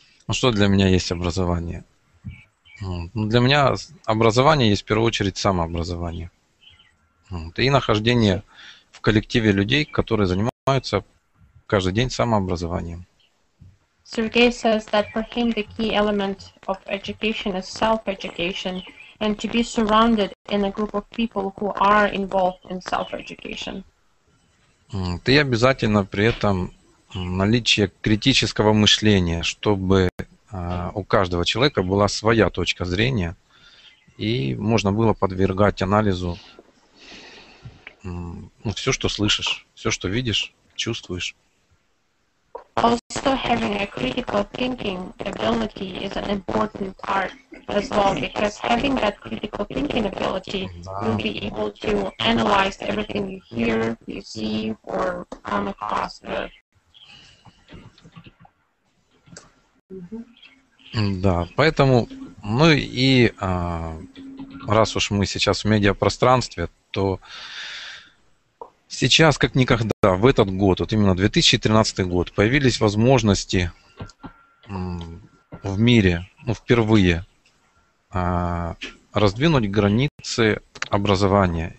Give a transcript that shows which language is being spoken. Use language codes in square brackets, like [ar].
[ru] Что для меня есть образование? Для меня образование есть в первую очередь самообразование. И нахождение в коллективе людей, которые занимаются каждый день самообразованием. [en] Сергей says that for him the key element of education is self-education and to be surrounded in a group of people who are involved in self-education. [ru] И обязательно при этом наличие критического мышления, чтобы у каждого человека была своя точка зрения, и можно было подвергать анализу все, что слышишь, все, что видишь, чувствуешь. [en] Also having a critical thinking ability is an important part as well, because having that critical thinking ability, you'll be able to analyze everything you hear, you see, or come across. [ru] Да, поэтому, ну и раз уж мы сейчас в медиапространстве, то сейчас, как никогда, в этот год, вот именно 2013 год, появились возможности в мире, ну, впервые раздвинуть границы образования.